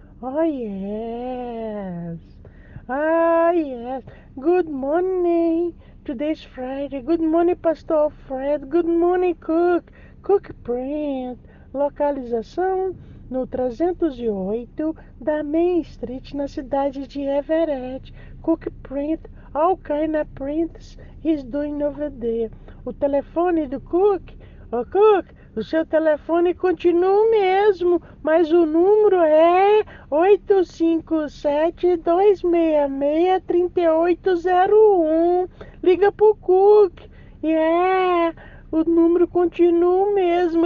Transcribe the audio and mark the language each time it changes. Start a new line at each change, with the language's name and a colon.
English: Oh, yes. Oh, yes. Good morning. Today's Friday. Good morning, Pastor Fred. Good morning, Cook. Cook Print.
Portuguese: Localização no 308 da Main Street, na cidade de Everett.
English: Cook Print. All kind of prints he's doing over there.
Portuguese: O telefone do Cook. Oh, Cook. O seu telefone continua o mesmo, mas o número é 857-266-3801. Liga pro Cook. Yeah, o número continua o mesmo.